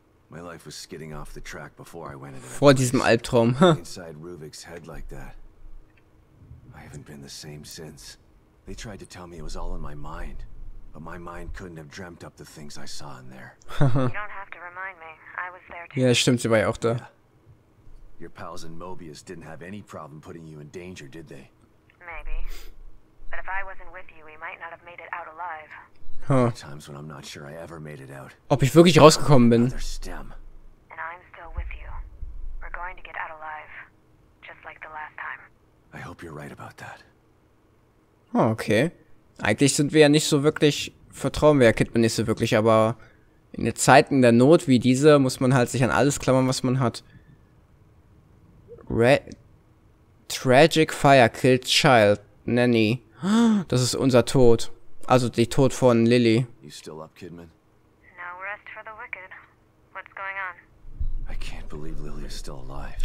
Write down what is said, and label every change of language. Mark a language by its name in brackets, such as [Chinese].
[English] My life was skidding off the track before I went into that. [German] Vor diesem Albtraum. [English] Inside Ruvik's head like that. I haven't been the same since. They tried to tell me it was all in my mind, but my mind couldn't have dreamt up the things I saw in there. You don't have to remind me. I was there too. [German] Ja, stimmt, sie war ja auch da. [English] Your pals in Mobius didn't have any problem putting you in danger, did they? Maybe. But if I wasn't with you, we might not have made it out alive. Times when I'm not sure I ever made it out. [German] Ob ich wirklich rausgekommen bin. [English] And I'm still with you. We're going to get out alive, just like the last time. I hope you're right about that. Oh, okay. [German] Eigentlich sind wir ja nicht so wirklich, vertrauen wir ja Kidman nicht so wirklich, aber in den Zeiten der Not wie diese muss man halt sich an alles klammern, was man hat. [English] Tragic Fire killed child Nanny. [German] Das ist unser Tod. Also die Tod von Lily. [English] You still up, Kidman? No rest for the wicked. What's going on? I can't believe Lily is still alive.